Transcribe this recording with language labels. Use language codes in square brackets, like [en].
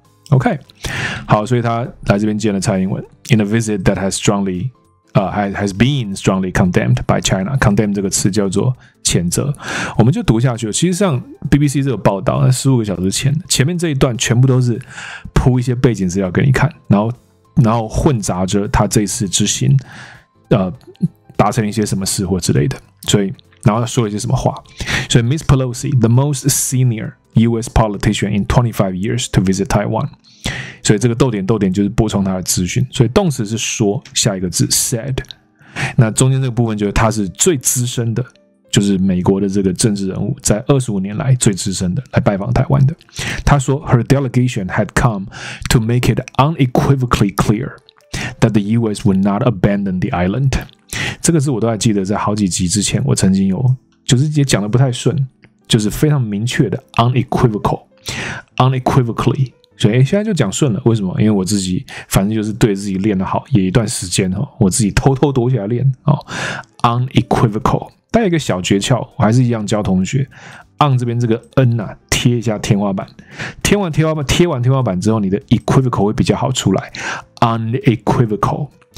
[en] OK， [zh] 好，所以他来这边见了蔡英文 [en] ，in a visit that has strongly， has been strongly condemned by China。 [zh] condemn 这个词叫做谴责，我们就读下去了。其实像 BBC 这个报道，那十五个小时前，前面这一段全部都是铺一些背景资料给你看，然后混杂着他这次之行，达成一些什么事或之类的，所以然后他说了一些什么话。 [en] 所以 Miss Pelosi， the most senior。U.S. politician in 25 years to visit Taiwan， [zh] 所以这个逗点就是补充他的资讯。所以动词是说，下一个字 said， 那中间这个部分就是他是最资深的，就是美国的这个政治人物，在25年来最资深的来拜访台湾的。他说 [en] ，Her delegation had come to make it unequivocally clear that the U.S. would not abandon the island。 [zh] 这个字我都还记得，在好几集之前，我曾经有就是也讲的不太顺。就是非常明确的 unequivocally， 所以现在就讲顺了。为什么？因为我自己反正就是对自己练得好，也一段时间我自己偷偷躲起来练 unequivocal， 带一个小诀窍，我还是一样教同学 on 这边这个 n 啊，贴一下天花板，贴完天花板之后，你的 equivocal 会比较好出来 unequivocal。